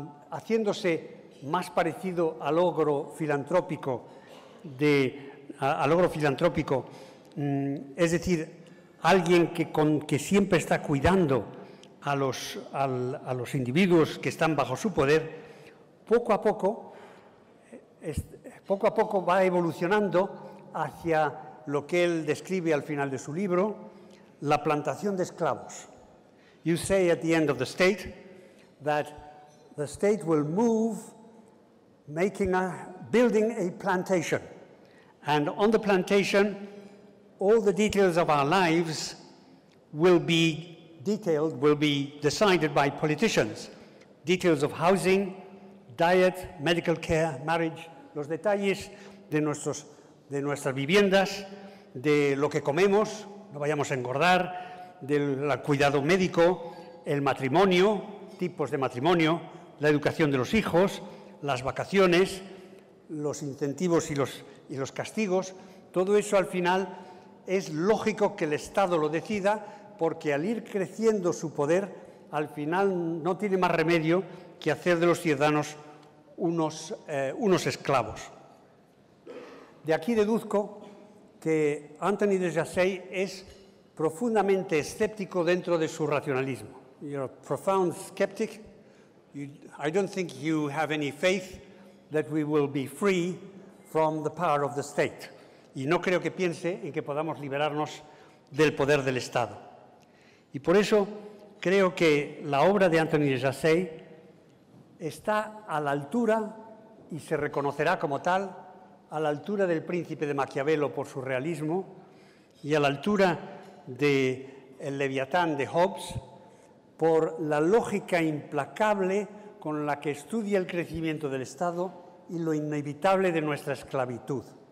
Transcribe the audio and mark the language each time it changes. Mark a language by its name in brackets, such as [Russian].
[Spanish] haciéndose más parecido al ogro filantrópico, es decir, alguien que siempre está cuidando a los individuos que están bajo su poder, poco a poco va evolucionando hacia lo que él describe al final de su libro, la plantación de esclavos. [English] You say at the end of the state that the state will move, building a plantation. And on the plantation, all the details of our lives will be decided by politicians. Details of housing, diet, medical care, marriage. [Spanish] Los detalles de nuestras viviendas, de lo que comemos, no vayamos a engordar, del cuidado médico, el matrimonio, tipos de matrimonio, la educación de los hijos, las vacaciones, los incentivos y los castigos. Todo eso al final es lógico que el Estado lo decida, porque al ir creciendo su poder, al final no tiene más remedio que hacer de los ciudadanos unos esclavos. De aquí deduzco que Anthony de Jersey es profundamente escéptico dentro de su racionalismo. [English] You're a profound skeptic. I don't think you have any faith that we will be free from the power of the state. [Spanish] Y no creo que piense en que podamos liberarnos del poder del Estado. Y por eso creo que la obra de Anthony de Jersey está a la altura y se reconocerá como tal, a la altura del Príncipe de Maquiavelo por su realismo y a la altura del Leviatán de Hobbes por la lógica implacable con la que estudia el crecimiento del Estado y lo inevitable de nuestra esclavitud.